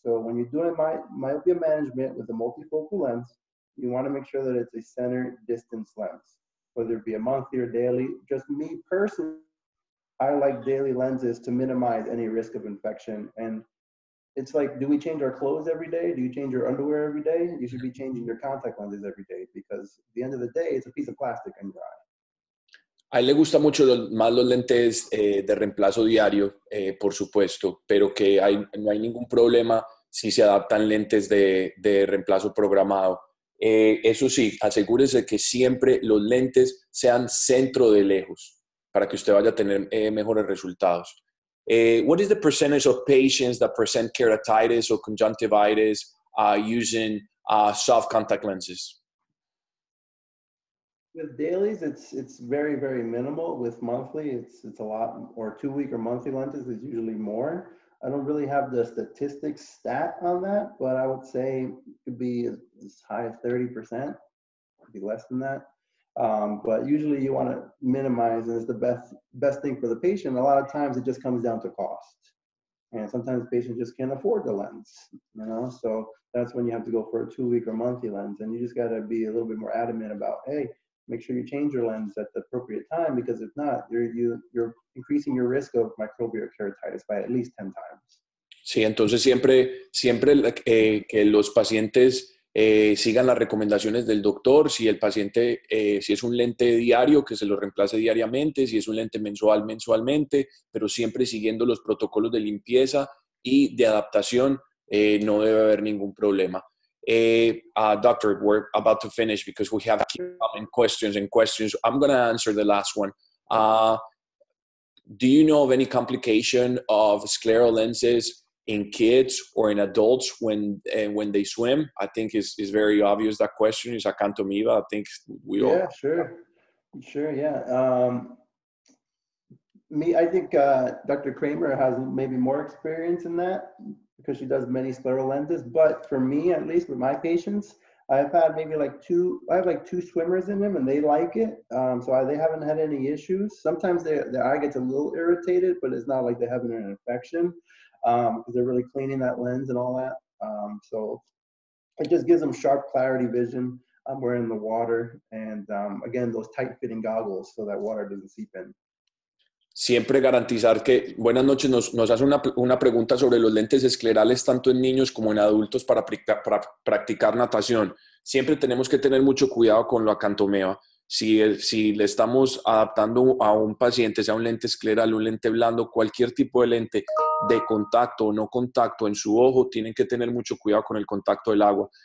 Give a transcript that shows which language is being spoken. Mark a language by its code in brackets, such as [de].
[en] So when you're doing myopia management with a multifocal lens, you want to make sure that it's a center distance lens, whether it be a monthly or daily. Just me personally, I like daily lenses to minimize any risk of infection. And it's like, do we change our clothes every day? Do you change your underwear every day? You should be changing your contact lenses every day because at the end of the day, it's a piece of plastic in your eye. [es] A él le gusta mucho más los lentes de reemplazo diario, por supuesto, pero que no hay ningún problema si se adaptan lentes de reemplazo programado. Eso sí, asegúrese que siempre los lentes sean centro de lejos, para que usted vaya a tener mejores resultados. [en] What is the percentage of patients that present keratitis or conjunctivitis using soft contact lenses? With dailies, it's very, very minimal. With monthly, it's a lot, or 2 week or monthly lenses is usually more. I don't really have the statistics stat on that, but I would say it could be as high as 30%, could be less than that. But usually you want to minimize, and it's the best thing for the patient. A lot of times it just comes down to cost. And sometimes patients just can't afford the lens, you know? So that's when you have to go for a 2 week or monthly lens. And you just got to be a little bit more adamant about, hey, make sure you change your lens at the appropriate time, because if not, you're increasing your risk of microbial keratitis by at least 10 times. [es] Sí, entonces siempre que los pacientes sigan las recomendaciones del doctor. Si el paciente, si es un lente diario, que se lo reemplace diariamente. Si es un lente mensual, mensualmente. Pero siempre siguiendo los protocolos de limpieza y de adaptación, no debe haber ningún problema. [en] Doctor, we're about to finish because we have questions. I'm going to answer the last one. Do you know of any complication of scleral lenses in kids or in adults when they swim? I think is very obvious that question is a canto miva. I think we all. Yeah, sure, yeah. Dr. Kramer has maybe more experience in that because she does many scleral lenses. But for me, at least with my patients, I've had maybe like two swimmers in them and they like it. They haven't had any issues. Sometimes their eye gets a little irritated, but it's not like they have an infection. They're really cleaning that lens and all that. So it just gives them sharp clarity vision. We're in the water. And again, those tight fitting goggles so that water doesn't seep in. [es] Siempre garantizar que, buenas noches, nos hace una pregunta sobre los lentes esclerales tanto en niños como en adultos para practicar natación. Siempre tenemos que tener mucho cuidado con lo acantomeo. Si le estamos adaptando a un paciente, sea un lente escleral, un lente blando, cualquier tipo de lente de contacto o no contacto en su ojo, tienen que tener mucho cuidado con el contacto del agua.